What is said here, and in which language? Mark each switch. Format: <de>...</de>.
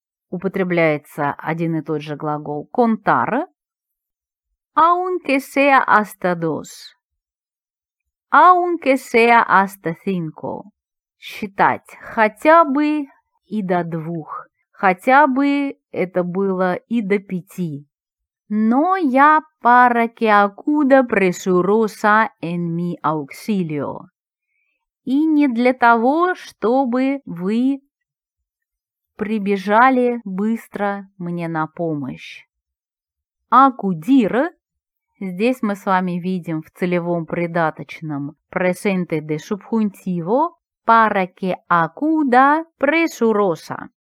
<ru>употребляется один и тот же глагол «contar»,</ru> <es>«aunque sea hasta dos», «aunque sea hasta cinco»</es> <ru>– считать хотя бы и до двух, хотя бы это было и до пяти. Но я</ru> <es>para que acuda presurosa en mi auxilio.</es> <ru>И не для того, чтобы вы прибежали быстро мне на помощь. Acudir. Здесь мы с вами видим в целевом придаточном presente de subjuntivo</ru> <es>para que acuda presurosa.</es>